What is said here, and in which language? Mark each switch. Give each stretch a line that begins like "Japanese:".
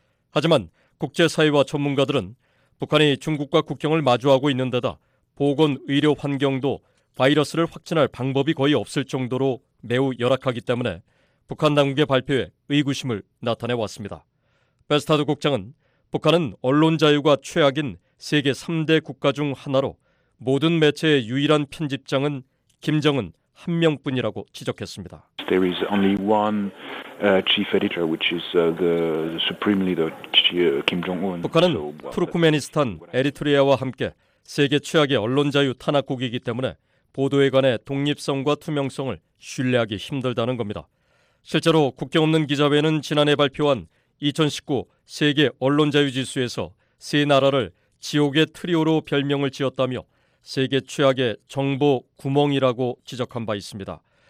Korean: 하지만 국제사회와 전문가들은 북한이 중국과 국경을 마주하고 있는 데다 보건 의료 환경도 바이러스를 확진할 방법이 거의 없을 정도로 매우 열악하기 때문에 북한 당국의 발표에 의구심을 나타내 왔습니다. 베스타드 국장은 북한은 언론 자유가 최악인 세계 3대 국가 중 하나로 모든 매체의 유일한 편집장은 김정은 한 명뿐이라고 지적했습니다.
English: There is only one chief editor, which is the supreme leader, Kim Jong-un.
Korean: 북한은 투르크메니스탄, 에리트리아와 함께 세계 최악의 언론 자유 탄압국이기 때문에 보도에 관해 독립성과 투명성을 신뢰하기 힘들다는 겁니다. 실제로 국경 없는 기자회는 지난해 발표한 2019 세계 언론 자유 지수에서 세 나라를 지옥의 트리오로 별명을 지었다며 세계 최악의 정보 구멍이라고 지적한 바 있습니다.